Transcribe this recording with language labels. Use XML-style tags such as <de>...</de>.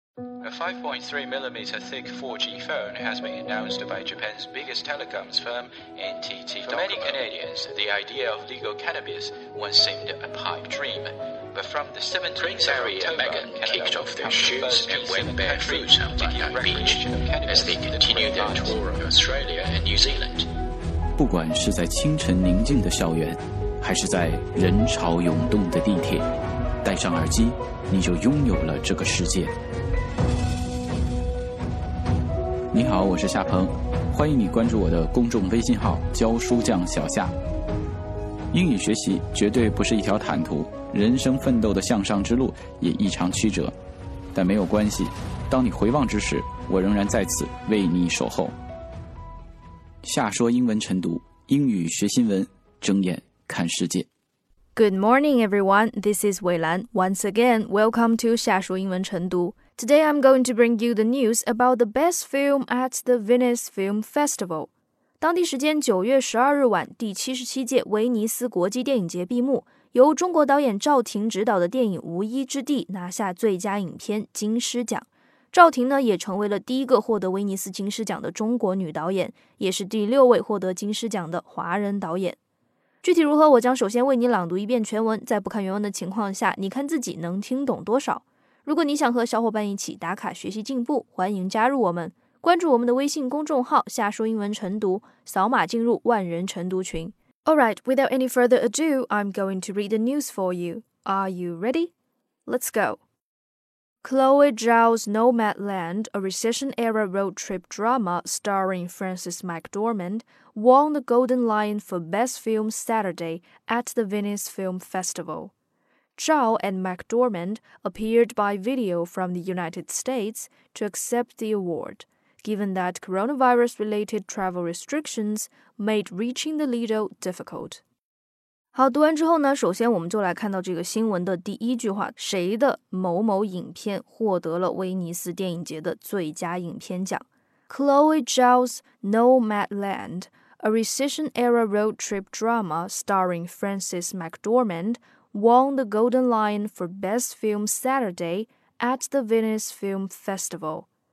<en>A 5.3mm thick 4G phone has been announced by Japan's biggest telecoms firm, NTT Docomo. For many Canadians, the idea of legal cannabis once seemed a pipe dream. But from the 17th of October, Megan kicked off their shoes and went barefoot on Bondi Beach as they continued their tour of Australia and New Zealand.</en> <zh>不管是在清晨宁静的校园，还是在人潮涌动的地铁，戴上耳机，你就拥有了这个世界。你好，我是夏鹏，欢迎你关注我的公众微信号“教书匠小夏”。英语学习绝对不是一条坦途，人生奋斗的向上之路也异常曲折，但没有关系，当你回望之时，我仍然在此为你守候。夏说英文晨读，英语学新闻，睁眼看世界。</zh> <en>Good morning, everyone. This is Wei Lan. Once again, welcome to 夏说英文晨读。 Today, I'm going to bring you the news about the best film at the Venice Film Festival.</en> <zh>当地时间9月12日晚，第77届威尼斯国际电影节闭幕，由中国导演赵婷执导的电影《无依之地》拿下最佳影片金狮奖。赵婷呢，也成为了第一个获得威尼斯金狮奖的中国女导演，也是第6位获得金狮奖的华人导演。具体如何，我将首先为你朗读一遍全文，在不看原文的情况下，你看自己能听懂多少。如果你想和小伙伴一起打卡学习进步，欢迎加入我们，关注我们的微信公众号夏说英文晨读，扫码进入万人晨读群。</zh> <en>Alright, without any further ado, I'm going to read the news for you. Are you ready? Let's go. Chloe Zhao's Nomadland, a recession-era road trip drama starring Frances McDormand, won the Golden Lion for Best Film Saturday at the Venice Film Festival. Zhao and McDormand appeared by video from the United States to accept the award, given that coronavirus-related travel restrictions made reaching the Lido difficult.</en> <zh>好，读完之后呢，首先我们就来看到这个新闻的第一句话，谁的某某影片获得了威尼斯电影节的最佳影片奖。</zh> <en>Chloe Zhao's Nomadland, a recession-era road trip drama starring Frances McDormand,won the Golden Lion for Best Film Saturday at the Venice Film Festival.</en>